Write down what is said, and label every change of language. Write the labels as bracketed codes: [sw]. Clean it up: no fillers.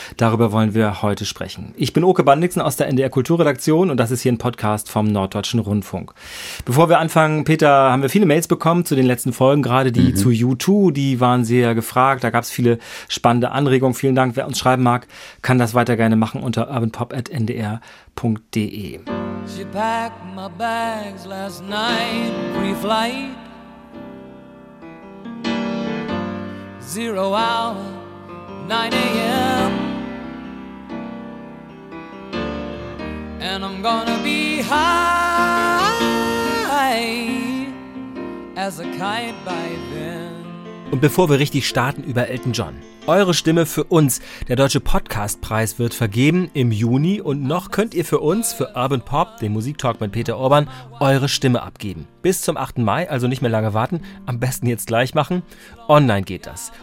[de] Darüber wollen wir heute sprechen. Ich bin Oke Bandixen aus der NDR Kulturredaktion und das ist hier ein Podcast vom Norddeutschen Rundfunk. Bevor wir anfangen, Peter, haben wir viele Mails bekommen zu den letzten Folgen, gerade die zu U2, die waren sehr gefragt. Da gab es viele spannende Anregung. Vielen Dank. Wer uns schreiben mag, kann das weiter gerne machen unter urbanpop@ndr.de. [en] She packed my bags last night, pre-flight. Zero hour, 9 a.m. And I'm gonna be high as a kite by then. [de] Und bevor wir richtig starten über Elton John. Eure Stimme für uns. Der Deutsche Podcastpreis wird vergeben im Juni und noch könnt ihr für uns, für Urban Pop, den Musiktalk mit Peter Urban, eure Stimme abgeben. Bis zum 8. Mai, also nicht mehr lange warten, am besten jetzt gleich machen. Online geht das.